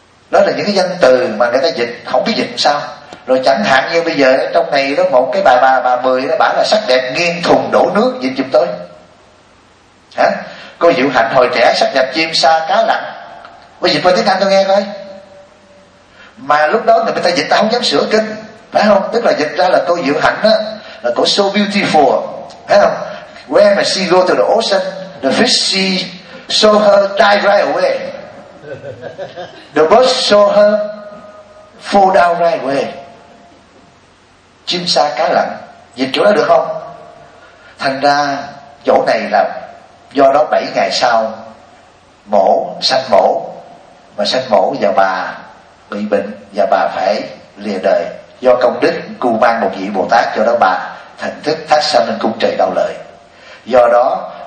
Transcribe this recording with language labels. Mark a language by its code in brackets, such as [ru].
[vi] Đó là những cái danh từ mà người ta dịch không biết dịch sao. Rồi chẳng hạn như bây giờ trong này đó, một cái bà mười đó, bà là sắc đẹp nghiêng thùng đổ nước, dịch giùm tôi hả? Cô Diệu Hạnh hồi trẻ sắc đẹp chim sa cá lặn, quý vị coi tiếng Anh tôi nghe coi. Mà lúc đó người ta dịch ta không dám sửa kinh, phải không? Tức là dịch ra là cô Diệu Hạnh đó là cô [en] so beautiful, [vi] phải không? [en] When she go to the ocean, the fish see saw her dive right away, the bird saw her fall down right away. [vi] Chim sa cá lặn, dịch chỗ đó được không? Thành ra chỗ này là do đó 7 ngày sau mổ, sanh mổ, mà sanh mổ và bà bị bệnh và bà phải lìa đời. Do công đức cù mang một vị Bồ Tát, do đó bà thành thức thách sanh lên cung trời Đau Lợi. Do đó